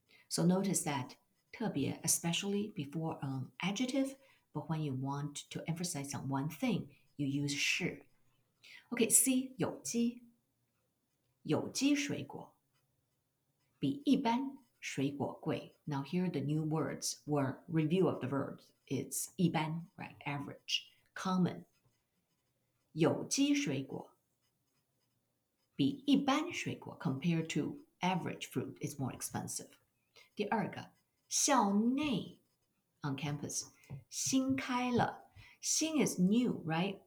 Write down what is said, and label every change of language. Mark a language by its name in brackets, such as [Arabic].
[English] So notice that 特别 especially before an adjective, but when you want to emphasize on one thing, you use 是。 Okay, C, 有机。 [Chinese] 有机水果比一般水果贵。 [English] Now here are the new words, or review of the verbs. It's 一般, right? Average, common. 有机水果比一般水果 compared to average fruit is more expensive. 第二个，校内 on campus 新开了，新 is new, right?